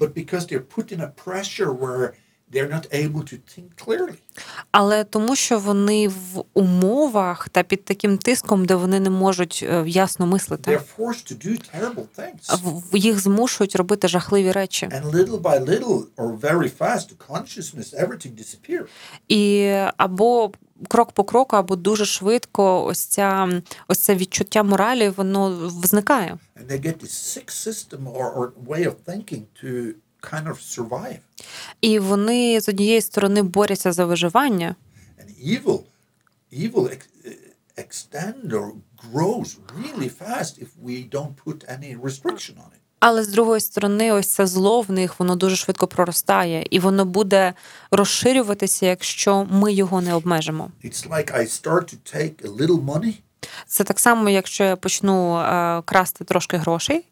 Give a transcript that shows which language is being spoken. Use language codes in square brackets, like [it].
[en] But because they're put in a pressure where they're not able to think clearly. [uk] Але тому, що вони в умовах та під таким тиском, де вони не можуть ясно мислити. [en] They're forced to do terrible things. [uk] Їх змушують робити жахливі речі. [en] And little by little, or very fast, consciousness, everything disappears. [uk] І або крок по кроку, або дуже швидко ось це відчуття моралі, воно зникає. [en] And they get this sick system or way of thinking to kind of survive. [uk] І вони з однієї сторони борються за виживання. [en] And evil extend or grows really fast if we don't put any restriction on it. [uk] Але з другої сторони, ось це зло в них, воно дуже швидко проростає, і воно буде розширюватися, якщо ми його не обмежимо. [en] It's like I start to take a little money. [uk] Це так само, якщо я почну красти трошки грошей.